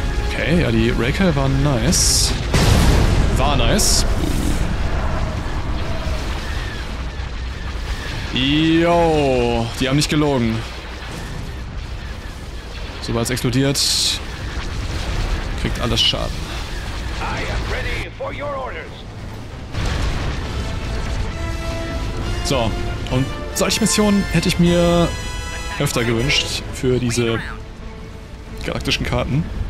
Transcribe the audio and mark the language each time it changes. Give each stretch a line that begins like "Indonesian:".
German: Okay, ja, die Raker waren nice. War nice. Yo, die haben nicht gelogen. Sobald es explodiert, kriegt alles Schaden.
English: I am ready for your orders.
German: So, und solche Missionen hätte ich mir öfter gewünscht für diese galaktischen Karten.